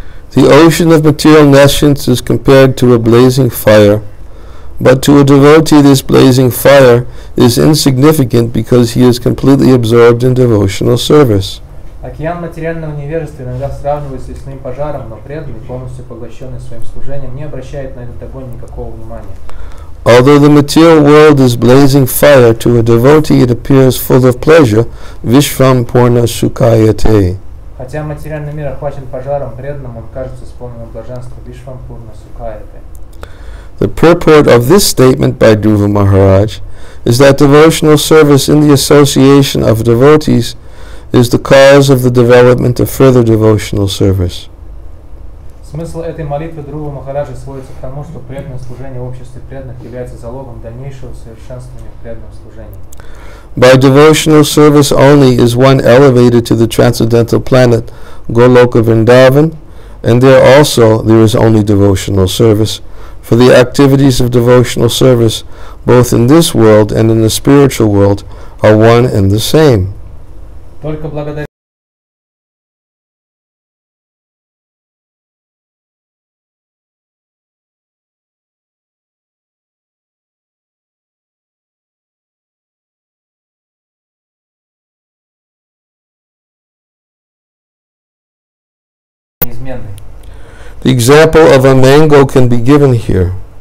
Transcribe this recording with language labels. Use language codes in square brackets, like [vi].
[en] The ocean of material nations is compared to a blazing fire, but to a devotee this blazing fire is insignificant because he is completely absorbed in devotional service. [ru] Океан материального невежества иногда сравнивается с лесным пожаром, но преданный, полностью поглощенный своим служением, не обращает на этот огонь никакого внимания. [en] Although the material world is blazing fire, to a devotee it appears full of pleasure, [sa] vishvam purna sukhayate. [ru] Хотя материальный мир охвачен пожаром, преданному он кажется исполненным блаженством, [sa] vishvam purna sukhayate. [en] The purport of this statement by Dhruva Maharaj is that devotional service in the association of devotees is the cause of the development of further devotional service. [ru] Смысл этой молитвы Друва Махараджа сводится к тому, что преданное служение в обществе преданных является залогом дальнейшего совершенствования в преданном служении. [en] By devotional service only is one elevated to the transcendental planet Goloka Vrindavan, and there also there is only devotional service. For the activities of devotional service, both in this world and in the spiritual world, are one and the same. [ru] Только благодаря неизменной. [en] The example of a mango can be given here.